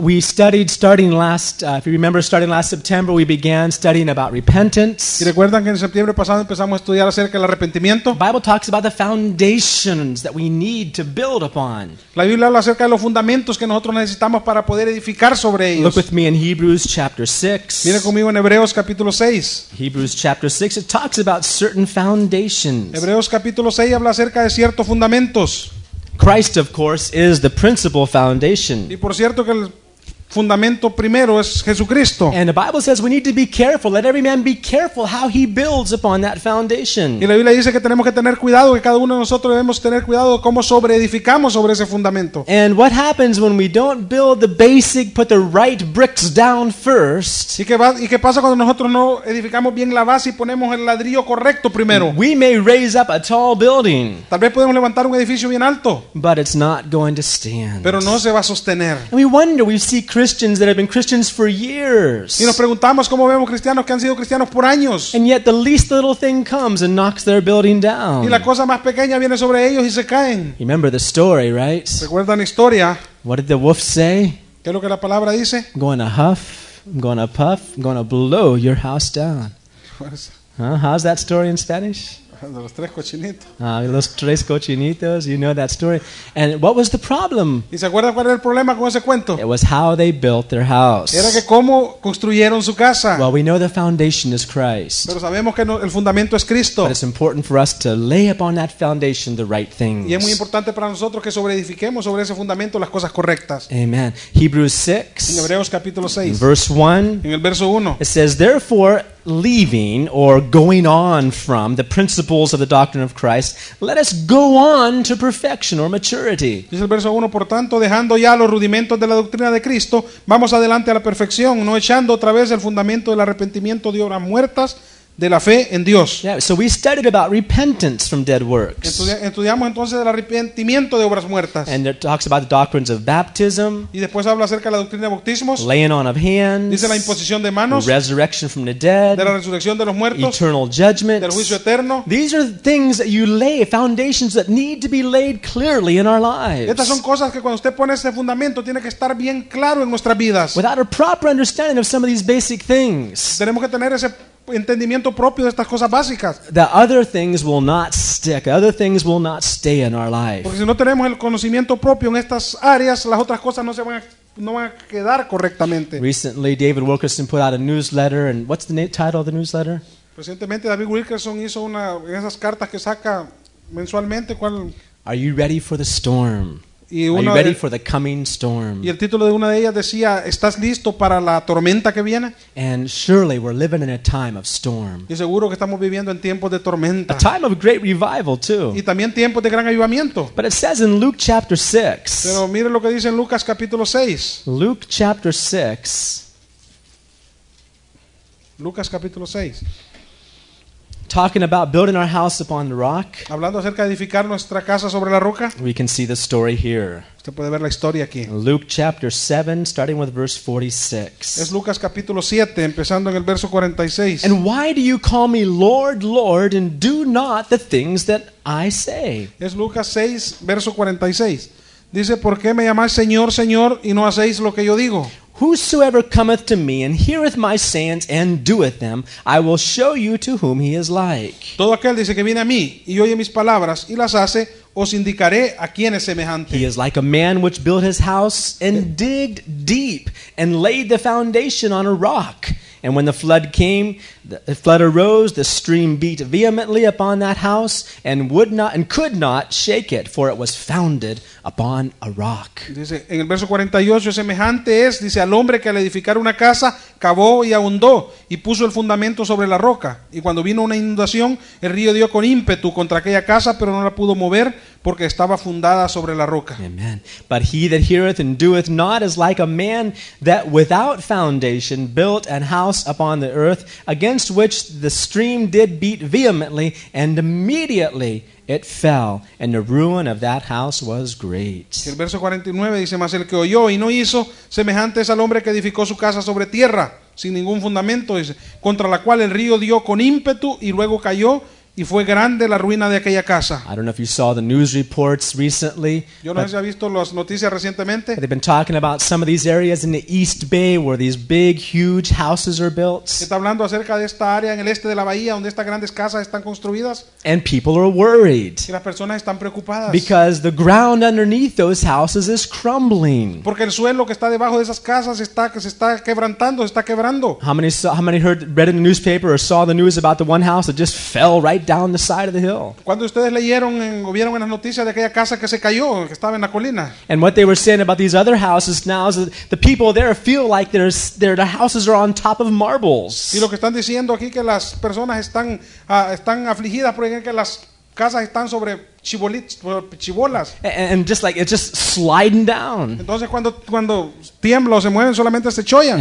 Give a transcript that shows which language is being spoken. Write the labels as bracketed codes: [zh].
[en] We studied starting last, if you remember, starting last September, we began studying about repentance. [es] ¿Y recuerdan que en septiembre pasado empezamos a estudiar acerca del arrepentimiento? [en] The Bible talks about the foundations that we need to build upon. [es] La Biblia habla acerca de los fundamentos que nosotros necesitamos para poder edificar sobre ellos. [en] Look with me in Hebrews chapter 6. [es] Mira conmigo en Hebreos capítulo 6. [en] Hebrews chapter 6, it talks about certain foundations. [es] Hebreos capítulo 6 habla acerca de ciertos fundamentos. [en] Christ, of course, is the principal foundation. [es] Y por cierto que el fundamento primero es Jesucristo. [en] And the Bible says we need to be careful. Let every man be careful how he builds upon that foundation. [es] Y la Biblia dice que tenemos que tener cuidado, que cada uno de nosotros debemos tener cuidado cómo sobreedificamos sobre ese fundamento. [en] And what happens when we don't build the basic, put the right bricks down first? [es] ¿Y qué pasa cuando nosotros no edificamos bien la base y ponemos el ladrillo correcto primero? [en] We may raise up a tall building. [es] Tal vez podemos levantar un edificio bien alto. [en] But it's not going to stand. [es] Pero no se va a sostener. [en] And we wonder, we see Christians that have been Christians for years. [es] Y nos preguntamos cómo vemos cristianos que han sido cristianos por años. [en] And yet the least little thing comes and knocks their building down. [es] Y la cosa más pequeña viene sobre ellos y se caen. [en] You remember the story, right? [es] ¿Recuerdan la historia? [en] What did the wolf say? [es] ¿Qué es lo que la palabra dice? [en] I'm going to huff, I'm going to puff, I'm going to blow your house down. Huh? How's that story in Spanish? [es] Los tres cochinitos, [en] you know that story. And what was the problem? [es] ¿Y se acuerda cuál era el problema con ese cuento? [en] It was how they built their house. [es] Era que cómo construyeron su casa. [en] Well, we know the foundation is Christ. [es] Pero sabemos que el fundamento es Cristo. [en] But it's important for us to lay upon that foundation the right things. [es] Y es muy importante para nosotros que sobreedifiquemos sobre ese fundamento las cosas correctas. [en] Amen. Hebrews 6. [es] En Hebreos capítulo 6. [en] Verse 1. [es] En el verso 1. [en] It says, therefore, leaving or going on from the principles of the doctrine of Christ, let us go on to perfection or maturity. [es] Dice el verso 1, por tanto, dejando ya los rudimentos de la doctrina de Cristo, vamos adelante a la perfección, no echando otra vez el fundamento del arrepentimiento de obras muertas de la fe en Dios. [en] Yeah, so we studied about repentance from dead works. [es] Estudiamos entonces el arrepentimiento de obras muertas. [en] And it talks about the doctrines of baptism. [es] Y después habla acerca de la doctrina de bautismos. [en] Laying on of hands. [es] Dice la imposición de manos. [en] Resurrection from the dead. [es] De la resurrección de los muertos. [en] Eternal judgment. [es] Del juicio eterno. [en] These are things that you lay, foundations that need to be laid clearly in our lives. [es] Estas son cosas que cuando usted pone ese fundamento tiene que estar bien claro en nuestras vidas. [en] Without a proper understanding of some of these basic things. [es] Tenemos que tener ese entendimiento propio de estas cosas básicas. [en] The other things will not stick. Other things will not stay in our life. [es] Porque si no tenemos el conocimiento propio en estas áreas, las otras cosas no van a quedar correctamente. [en] Recently, David Wilkerson put out a newsletter, and what's the title of the newsletter? [es] Recientemente, David Wilkerson hizo una de esas cartas que saca mensualmente. ¿Cuál? [en] Are you ready for the storm? Are you ready for the coming storm? [es] Y el título de una de ellas decía, ¿estás listo para la tormenta que viene? [en] And surely we're living in a time of storm. [es] Y seguro que estamos viviendo en tiempos de tormenta. [en] A time of great revival too. [es] Y también tiempos de gran avivamiento. [en] But it says in Luke chapter 6. [es] Pero mire lo que dice en Lucas capítulo 6. [en] Luke chapter 6. [es] Lucas capítulo 6. [en] Talking about building our house upon the rock. [es] Hablando acerca de edificar nuestra casa sobre la roca. [en] We can see the story here. [es] Usted puede ver la historia aquí. [en] Luke chapter 7, starting with verse 46. [es] Es Lucas capítulo 7, empezando en el verso 46. [en] And why do you call me Lord, Lord, and do not the things that I say? [es] Es Lucas 6, verso 46. Dice, ¿por qué me llamas Señor, Señor, y no hacéis lo que yo digo? [en] Whosoever cometh to me and heareth my sayings and doeth them, I will show you to whom he is like. [es] Todo aquel dice que viene a mí y oye mis palabras y las hace, os indicaré a quién es semejante. [en] He is like a man which built his house and digged deep and laid the foundation on a rock. And when the flood came, the flood arose, the stream beat vehemently upon that house and would not and could not shake it, for it was founded upon a rock. [es] Dice, en el verso 48, semejante es, dice, al hombre que al edificar una casa, cavó y ahondó y puso el fundamento sobre la roca. Y cuando vino una inundación, el río dio con ímpetu contra aquella casa, pero no la pudo mover porque estaba fundada sobre la roca. [en] Amen. But he that heareth and doeth not is like a man that without foundation built an house upon the earth, against which the stream did beat vehemently, and immediately it fell, and the ruin of that house was great. [es] El verso 49 dice, mas el que oyó y no hizo, semejante es al hombre que edificó su casa sobre tierra, sin ningún fundamento, dice, contra la cual el río dio con ímpetu y luego cayó, Y fue grande la ruina de aquella casa. [en] I don't know if you saw the news reports recently. [es] Yo no sé si has visto las noticias recientemente. [en] They've been talking about some of these areas in the East Bay where these big, huge houses are built. [es] Está hablando acerca de esta área en el este de la bahía donde estas grandes casas están construidas. [en] And people are worried. [es] Y las personas están preocupadas. [en] Because the ground underneath those houses is crumbling. [es] Porque el suelo que está debajo de esas casas se está quebrando. [en] How many read in the newspaper or saw the news about the one house that just fell right down the side of the hill? [es] Cuando ustedes leyeron o vieron en las noticias de aquella casa que se cayó, que estaba en la colina. [en] And what they were saying about these other houses now is that the people there feel like the houses are on top of marbles. [es] Y lo que están diciendo aquí que las personas están afligidas porque las casas están sobre chibolas. [en] And just like it's just sliding down. [es] Entonces cuando tiemblan o se mueven solamente se chollan.